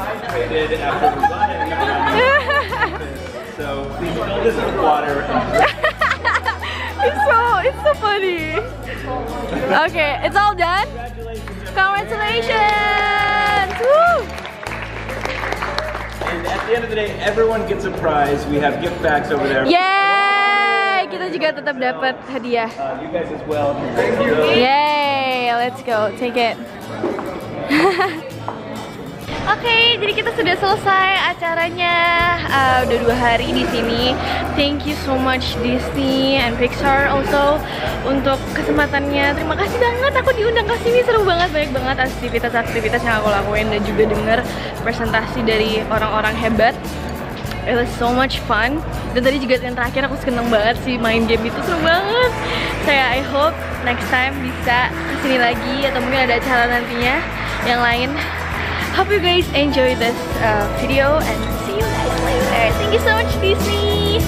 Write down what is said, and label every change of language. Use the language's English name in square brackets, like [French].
[English] Hydrated after running. So we filled this water. It's so funny. Okay, it's all done. Congratulations! Woo! And at the end of the day, everyone gets a prize. We have gift bags over there. Yay! [Indonesian] Kita juga tetap dapat hadiah. [English] You guys as well. Thank you. Yay! Let's go. Take it. [Indonesian] Okay, jadi kita sudah selesai acaranya. Udah 2 hari di sini. [English] Thank you so much Disney and Pixar also [Indonesian] untuk kesempatannya. Terima kasih banget aku diundang ke sini. Seru banget, banyak banget aktivitas-aktivitas yang aku lakuin dan juga denger presentasi dari orang-orang hebat. [English] It was so much fun. [Indonesian] Dan tadi juga yang terakhir aku seneng banget sih main game itu, seru banget. Saya [English] I hope next time [Indonesian] bisa kesini lagi atau mungkin ada acara nantinya yang lain. [English] Hope you guys enjoy this video and see you guys later. Thank you so much, Disney.